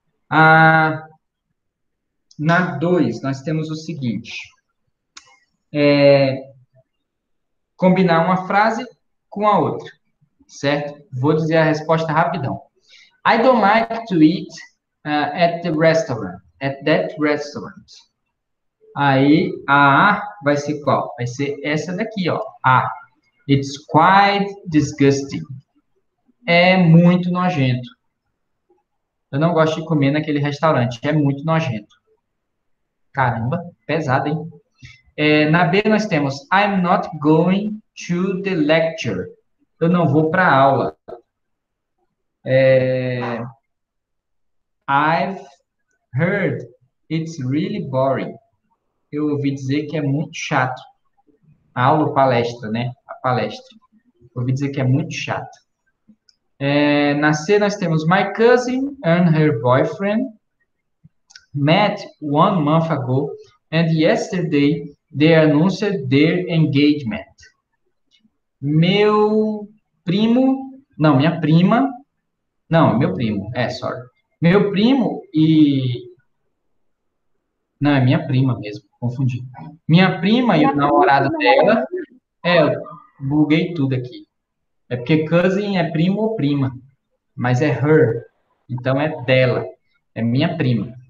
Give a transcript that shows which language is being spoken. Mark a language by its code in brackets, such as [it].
[pt] Na 2, nós temos o seguinte: combinar uma frase com a outra, certo? Vou dizer a resposta rapidão. [en] I don't like to eat at the restaurant, at that restaurant. [pt] Aí a vai ser qual? Vai ser essa daqui, ó. A. [en] It's quite disgusting. [pt] É muito nojento. Eu não gosto de comer naquele restaurante. É muito nojento. Caramba, pesado, hein? Na B nós temos [en] I'm not going to the lecture. [pt] Eu não vou para aula. [en] I've heard it's really boring. [pt] Eu ouvi dizer que é muito chato. A aula ou palestra, né? A palestra. Ouvi dizer que é muito chato. Na C nós temos [en] My cousin and her boyfriend met 1 month ago and yesterday they announced their engagement. [pt] Meu primo, não, minha prima, não, meu primo, sorry. Meu primo e... Não, é minha prima mesmo. Confundi. Minha prima e o Minha prima namorado não era dela. minha. Eu buguei tudo aqui. É porque cousin é primo ou prima. Mas é her. Então é dela. É minha prima.